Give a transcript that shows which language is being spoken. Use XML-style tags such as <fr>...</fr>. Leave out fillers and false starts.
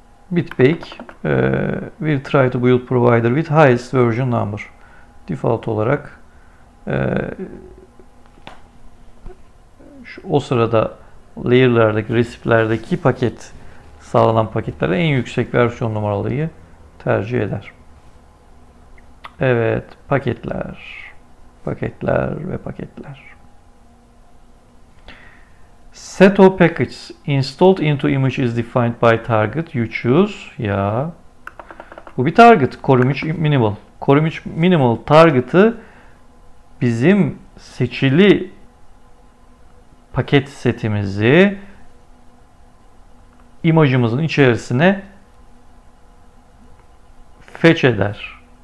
<en>Bitbake will try to build provider with highest version number.</en> <tr>Default olarak o sırada layer'lardaki, receive'lerdeki paket sağlanan paketlere en yüksek versiyon numaralıyı tercih eder. Evet, paketler. Paketler ve paketler.</tr> <en>Set all packages installed into image is defined by target you choose.</en> <tr>Ya. Bu bir target. Column minimal. Column minimal target'ı bizim seçili paket setimizi imajımızın içerisine fetch eder.</tr>